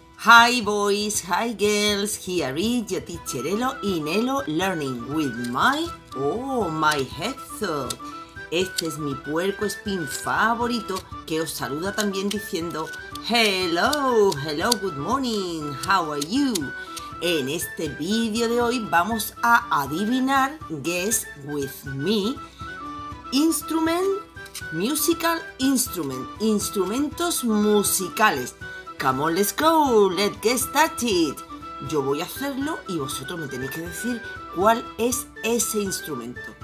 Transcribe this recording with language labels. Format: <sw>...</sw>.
<en>Hi boys, hi girls, here is your teacher Elo in Elo Learning with my hedgehog.</en> <es>Este es mi puerco spin favorito que os saluda también diciendo</es> <en>hello, good morning, how are you?</en> <es>En este vídeo de hoy vamos a adivinar,</es> <en>guess with me,</en> <es>instrumentos musicales.</es> <en>Come on, let's go, let's get started.</en> <es>Yo voy a hacerlo y vosotros me tenéis que decir cuál es ese instrumento.</es>